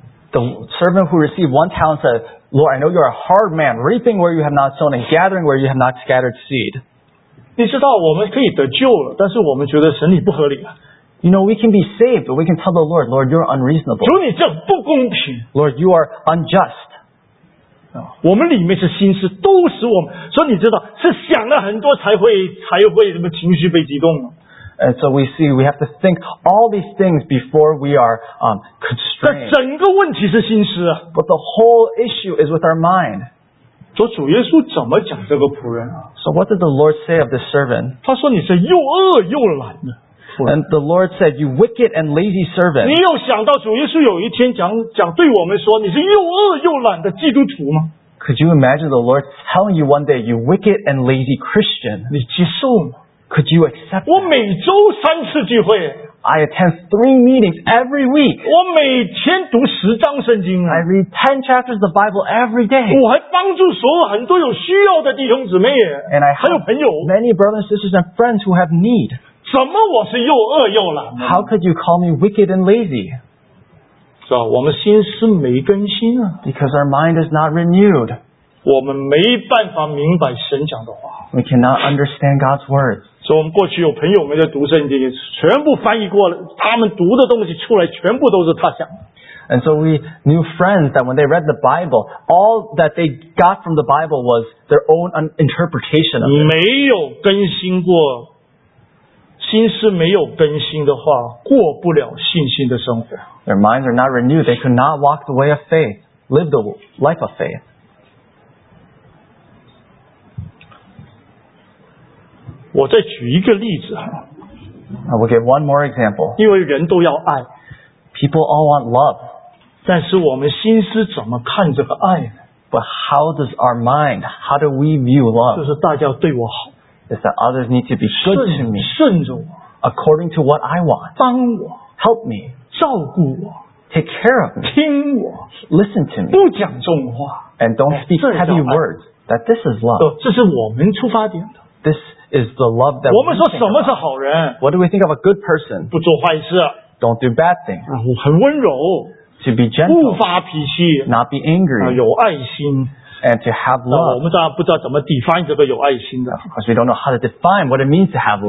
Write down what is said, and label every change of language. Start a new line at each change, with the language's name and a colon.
English: The servant who received one talent said, Lord, I know you're a hard man, reaping where you have not sown and gathering where you have not scattered seed.
Chinese: 你知道我们可以得救了,但是我们觉得神你不合理啊。
English: You know, we can be saved, but we can tell the Lord, Lord, you're unreasonable.
Chinese: 主你这不公平。
English: Lord, you are unjust.
Chinese: 我们里面是心思,都使我们, 所以你知道,是想了很多才会情绪被激动。
English: And so we see, we have to think all these things before we are constrained.
Chinese: 整个问题是心思。
English: But the whole issue is with our mind.
Chinese: 说主耶稣怎么讲这个仆人啊?
English: So what did the Lord say of this servant?
Chinese: 他说你是又饿又懒的。
English: And the Lord said, you wicked and lazy servant.
Chinese: 你有想到主耶稣有一天讲对我们说你是又饿又懒的基督徒吗?
English: Could you imagine the Lord telling you one day, you wicked and lazy Christian?
Chinese: 你接受吗?
English: Could you accept that?
Chinese: 我每周三次聚会。
English: I attend three meetings every week.
Chinese: 我每天读10章圣经。
English: I read 10 chapters of the Bible every day.
Chinese: 我还帮助所有很多有需要的弟兄姊妹。
English: And I have many brothers, sisters, and friends who have need.
Chinese: 怎么我是又饿又懒呢?
English: How could you call me wicked and lazy?
Chinese: 是吧,我们心思没更新啊。
English: Because our mind is not renewed.
Chinese: 我们没办法明白神讲的话。
English: We cannot understand God's words.
Chinese: 所以我们过去有朋友们在读圣经,全部翻译过了,他们读的东西出来全部都是他讲的。
English: And so we knew friends that when they read the Bible, all that they got from the Bible was their own interpretation of it.
Chinese: 没有更新过, 心思没有更新的话, 过不了信心的生活。
English: Their minds are not renewed. They could not walk the way of faith, live the life of faith.
Chinese: 我再举一个例子,
English: I will give one more example.
Chinese: 因为人都要爱,
English: people all want love.
Chinese: 但是我们心思怎么看这个爱呢?
English: But how does our mind, how do we view love?
Chinese: 就是大家对我好,
English: is that others need to be good
Chinese: 顺,
English: to me.
Chinese: 顺着我,
English: according to what I want.
Chinese: 帮我,
English: help me.
Chinese: 照顾我,
English: take care of me.
Chinese: 听我,
English: listen to me.
Chinese: 不讲重话,
English: and don't speak heavy words. That this is love.
Chinese: 这是我们出发点的。
English: This is the love that we think of. What do we think of a good person?
Chinese: 不做坏事,
English: don't do bad things.
Chinese: 很温柔,
English: to be gentle.
Chinese: 不发脾气,
English: not be angry.
Chinese: 有爱心,
English: and to have love.
Chinese: 我们当然不知道怎么define这个有爱心的,
English: because we don't know how to define what it means to have love.